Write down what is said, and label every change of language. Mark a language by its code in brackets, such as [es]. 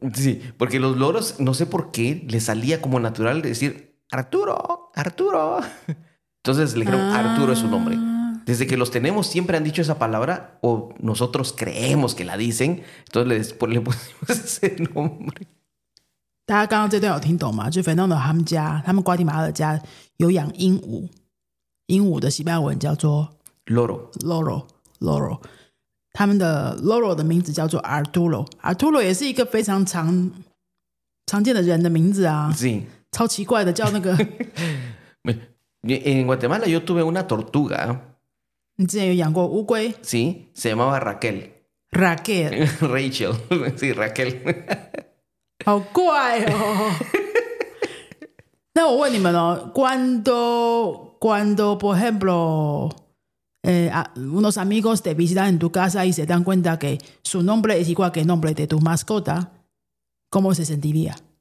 [es] Sí, porque los loros, no sé por qué, les salía como natural decir Arturo, Arturo. Entonces le dijeron Arturo es su nombre. Desde que los tenemos, siempre han dicho esa palabra, o nosotros creemos que la dicen, entonces le pusimos ese nombre. [zh] 大家刚刚这段有听懂吗？就Fernando他们家， 他们瓜地马拉的家有养鹦鹉， 鹦鹉的西班牙文叫做 [es] Loro [zh] 他们的Loro的名字叫做 Arturo， Arturo也是一个非常常 常见的人的名字啊。 [es] Sí. [zh] 超奇怪的叫那个。 [es] En Guatemala yo tuve una tortuga. [zh] 你之前有养过乌龟？ [es] Sí, se llamaba Raquel. Raquel. Rachel. Sí, Raquel. [zh] 好怪哦。那我问你们哦， [es] cuando por ejemplo unos amigos te visitan en tu casa y se dan cuenta que su nombre es igual que el nombre de tu mascota, ¿cómo se sentiría?